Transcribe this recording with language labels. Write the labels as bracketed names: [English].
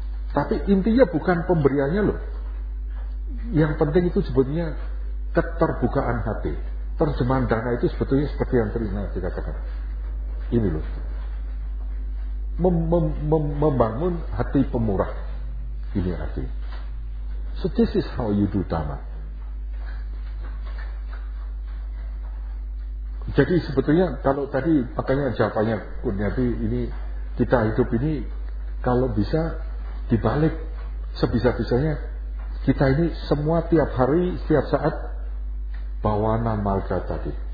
[Indonesian] Tapi intinya bukan pemberiannya loh. Yang penting itu sebetulnya keterbukaan hati. Terjemahan dana itu sebetulnya seperti yang terima dikatakan. Ini loh. Membangun hati pemurah. Ini hati. [English] So this is how you do dharma. [Indonesian] Jadi sebetulnya kalau tadi makanya jawabannya Kurniati ini kita hidup ini kalau bisa dibalik sebisa-bisanya kita ini semua tiap hari tiap saat bawana marga tadi.